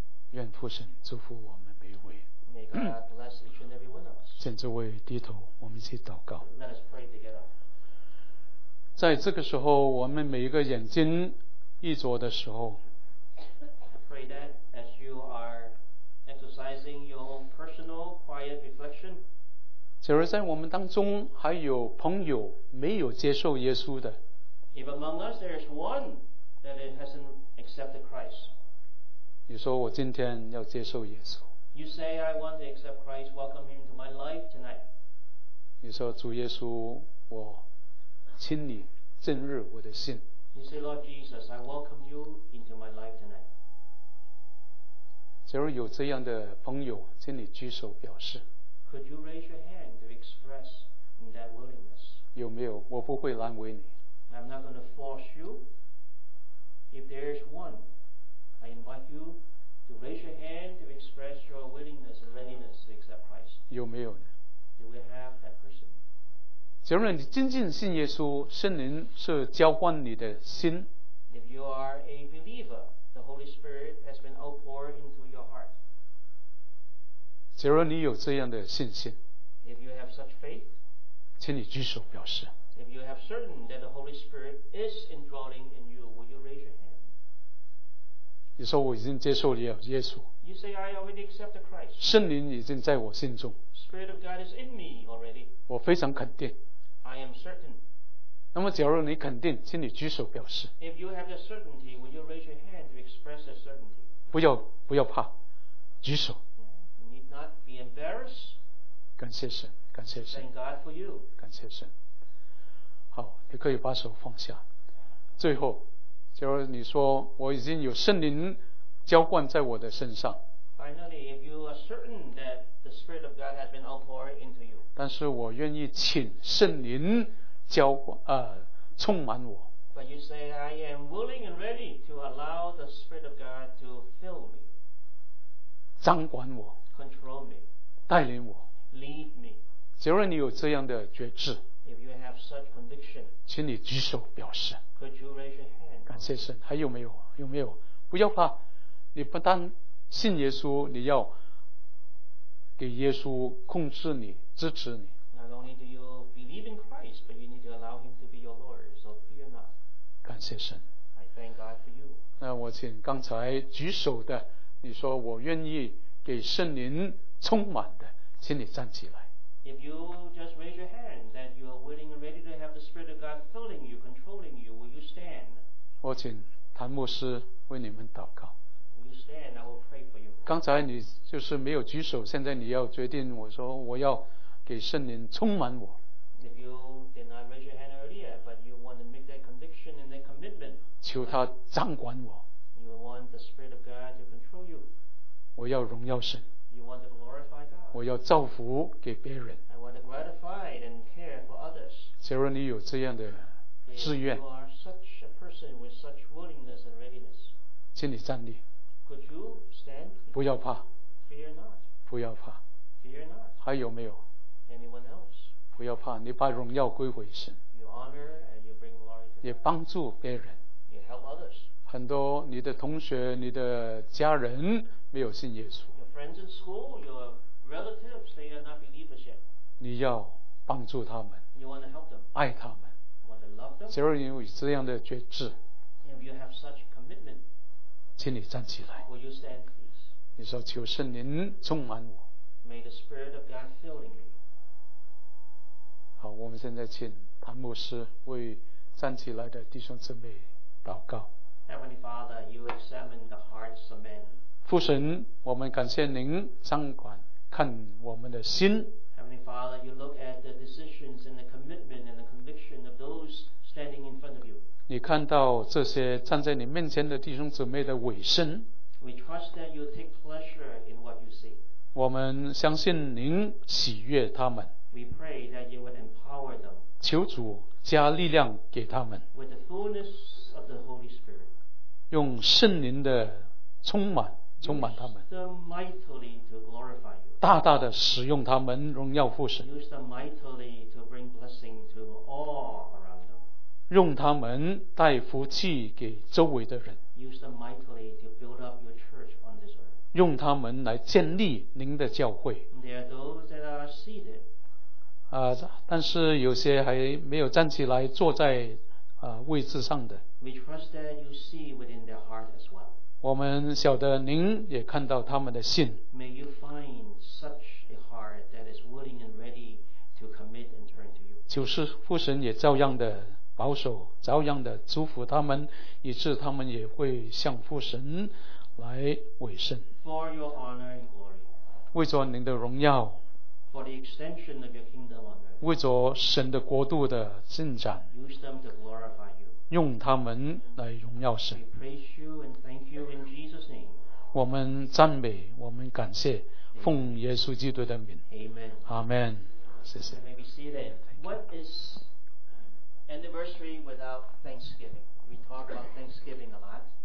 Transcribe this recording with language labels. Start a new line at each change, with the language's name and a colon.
Chinese: 愿父神祝福我们每一位。
English: May God bless each and every one of us.
Chinese: 请这位低头，我们一起祷告。
English: Let us pray together.
Chinese: 在这个时候，我们每一个眼睛闭着的时候。
English: Pray that as you are exercising your own personal quiet reflection.
Chinese: 假如在我们当中还有朋友没有接受耶稣的
English: If among us there is one that hasn't accepted Christ
Chinese: 你说我今天要接受耶稣
English: You say I want to accept Christ welcome him to my life tonight
Chinese: 你说主耶稣我请你进入我的心
English: You say Lord Jesus I welcome you into my life tonight
Chinese: 假如有这样的朋友请你举手表示
English: Could you raise your hand to express that willingness?
Chinese: 有没有？我不会难为你。
English: I'm not going to force you. If there is one, I invite you to raise your hand to express your willingness and readiness to accept Christ?
Chinese: 有没有呢？
English: Do we have that person?
Chinese: 假如你真正信耶稣，圣灵是浇灌你的心。
English: If you are a believer, the Holy Spirit has been outpoured into your heart.
Chinese: 假如你有这样的信心，
English: If you have such faith,
Chinese: 请你举手表示。
English: If you have certain that the Holy Spirit is indwelling in you, will you raise your hand?
Chinese: 你说我已经接受了耶稣。
English: You say I already accept Christ.
Chinese: 圣灵已经在我心中。
English: Spirit of God is in me already.
Chinese: 我非常肯定。
English: I am certain.
Chinese: 那么假如你肯定，请你举手表示。
English: If you have the certainty, will you raise your hand to express the certainty?
Chinese: 不要怕，举手。
English: You need not be embarrassed.
Chinese: 感谢神，感谢神。
English: Thank God for you.
Chinese: 感谢神。好，你可以把手放下。最后，假如你说我已经有圣灵浇灌在我的身上。
English: Finally, if you are certain that the Spirit of God has been outpoured into you.
Chinese: 但是我愿意请圣灵浇充满我。
English: But you say I am willing and ready to allow the Spirit of God to fill me.
Chinese: 掌管我。
English: Control me.
Chinese: 带领我。
English: Lead me.
Chinese: 假如你有这样的觉知，
English: If you have such conviction,
Chinese: 请你举手表示。
English: Could you raise your hand?
Chinese: 感谢神。还有没有？有没有？不要怕，你不但信耶稣，你要给耶稣控制你，支持你。
English: Not only do you believe in Christ, but you need to allow Him to be your Lord. So fear not.
Chinese: 感谢神。
English: I thank God for you.
Chinese: 那我请刚才举手的，你说我愿意给圣灵充满的，请你站起来。
English: If you just raise your hand, that you are willing and ready to have the Spirit of God filling you, controlling you, will you stand?
Chinese: 我请谭牧师为你们祷告。
English: Will you stand? I will pray for you.
Chinese: 刚才你就是没有举手，现在你要决定，我说我要给圣灵充满我。
English: If you did not raise your hand earlier, but you want to make that conviction and that commitment,
Chinese: 求他掌管我。
English: You want the Spirit of God to control you.
Chinese: 我要荣耀神。
English: You want to glorify God.
Chinese: 我要造福给别人。
English: I want to gratify and care for others.
Chinese: 假如你有这样的志愿，
English: If you are such a person with such willingness and readiness,
Chinese: 请你站立。
English: Could you stand?
Chinese: 不要怕。
English: Fear not.
Chinese: 不要怕。
English: Fear not.
Chinese: 还有没有？
English: Anyone else?
Chinese: 不要怕，你把荣耀归回神。
English: You honor and you bring glory to God.
Chinese: 也帮助别人。
English: You help others.
Chinese: 很多你的同学、你的家人没有信耶稣。
English: Your friends in school, your relatives, they are not believers yet.
Chinese: 你要帮助他们。
English: You want to help them.
Chinese: 爱他们。
English: You want to love them.
Chinese: 假如你有这样的觉知，
English: If you have such commitment,
Chinese: 请你站起来。
English: Will you stand, please?
Chinese: 你说求圣灵充满我。
English: May the Spirit of God fill me.
Chinese: 好，我们现在请谭牧师为站起来的弟兄姊妹祷告。
English: Heavenly Father, you examine the hearts of men.
Chinese: 父神，我们感谢您掌管看我们的心。
English: Heavenly Father, you look at the decisions and the commitment and the conviction of those standing in front of you.
Chinese: 你看到这些站在你面前的弟兄姊妹的委身。
English: We trust that you take pleasure in what you see.
Chinese: 我们相信您喜悦他们。
English: We pray that you would empower them.
Chinese: 求主加力量给他们。
English: With the fullness of the Holy Spirit.
Chinese: 用圣灵的充满，充满他们。
English: Use them mightily to glorify you.
Chinese: 大大的使用他们，荣耀父神。
English: Use them mightily to bring blessing to all around them.
Chinese: 用他们带福气给周围的人。
English: Use them mightily to build up your church on this earth.
Chinese: 用他们来建立您的教会。
English: There are those that are seated.
Chinese: 但是有些还没有站起来坐在位置上的。
English: We trust that you see within their heart as well.
Chinese: 我们晓得您也看到他们的心。
English: May you find such a heart that is willing and ready to commit and turn to you.
Chinese: 求父神也照样的保守，照样的祝福他们，以致他们也会向父神来委身。
English: For your honor and glory.
Chinese: 为着您的荣耀。
English: For the extension of your kingdom on earth.
Chinese: 为着神的国度的进展。
English: Use them to glorify you.
Chinese: 用他们来荣耀神。
English: We praise you and thank you in Jesus' name.
Chinese: 我们赞美，我们感谢，奉耶稣基督的名。
English: Amen. Amen.
Chinese: 谢谢。
English: You may be seated. What is anniversary without Thanksgiving? We talk about Thanksgiving a lot.